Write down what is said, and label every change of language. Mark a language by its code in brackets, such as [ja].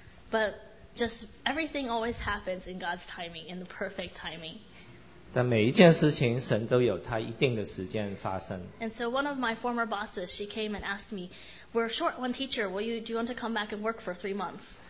[en] But just everything always happens in God's timing, in the perfect timing. [zh] 但每一件事情神都有他一定的时间发生。 [en] And so one of my former bosses, she came and asked me, "We're short one teacher. Do you want to come back and work for 3 months?"